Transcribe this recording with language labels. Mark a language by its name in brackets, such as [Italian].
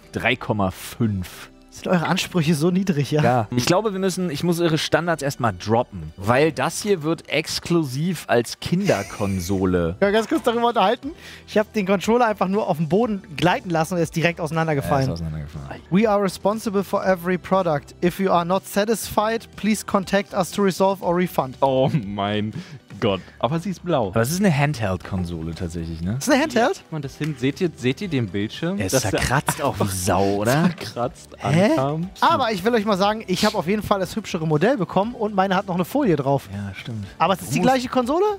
[German] 3,5. Sind eure Ansprüche so niedrig, ja? Ja. Ich glaube, ich muss eure Standards erstmal droppen. Weil das hier wird exklusiv als Kinderkonsole. Ja, ganz kurz darüber unterhalten. Ich habe den Controller einfach nur auf dem Boden gleiten lassen und er ist direkt auseinandergefallen. Ja, ist auseinandergefallen. [English] We are responsible for every product. If you are not satisfied, please contact us to resolve or refund. [German] Oh mein Gott. Aber sie ist blau. Aber es ist eine Handheld-Konsole tatsächlich, ne? Ist eine Handheld? Ja, man, das hin. Seht ihr den Bildschirm? Er zerkratzt auch wie Sau, oder? Zerkratzt. Hä? Aber ich will euch mal sagen, ich habe auf jeden Fall das hübschere Modell bekommen und meine hat noch eine Folie drauf. Ja, stimmt. Aber es ist die gleiche Konsole?